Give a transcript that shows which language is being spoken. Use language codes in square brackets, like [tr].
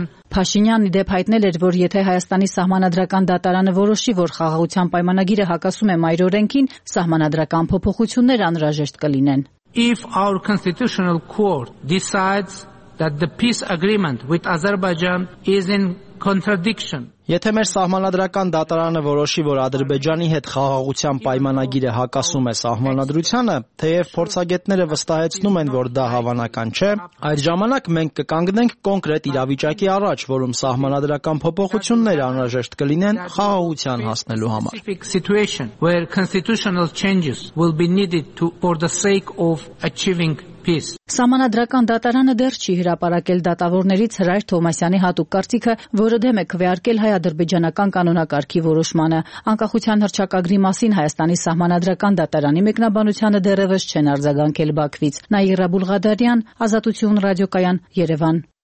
[hy] Փաշինյանն ի դեպ հայտնել էր, որ եթե Հայաստանի սահմանադրական դատարանը որոշի, որ խաղաղության պայմանագիրը հակասում է մայր օրենքին, սահմանադրական փոփոխություններ անհրաժեշտ կլինեն. [en] If our constitutional court decides that the peace agreement with Azerbaijan is in contradiction. [hy] Եթե մեր սահմանադրական դատարանը որոշի, որ Ադրբեջանի հետ խաղաղության պայմանագիրը հակասում է սահմանադրությանը, թեև փորձագետները վստահեցնում են, որ դա հավանական չէ, այդ ժամանակ մենք կկանգնենք կոնկրետ իրավիճակի առաջ, որում սահմանադրական փոփոխություններ անհրաժեշտ կլինեն խաղաղության հասնելու համար. [en] Where constitutional changes will be needed to for the sake of achieving peace. [hy] Սահմանադրական դատարանը դեռ չի հրապարակել դատավորներից Հրայր Թոմասյանի հատուկ կարծիքը, որը դեմ է քվեարկել հայ-ադրբեջանական կանոնակարգի որոշմանը։ Անկախության հռչակագրի մասին Հայաստանի սահմանադրական դատարանի մեկնաբանությանը դեռևս չեն արձագանքել Բաքվից։ Նաիրա Բուլղադարյան, Ազատություն ռադիոկայան, Երևան։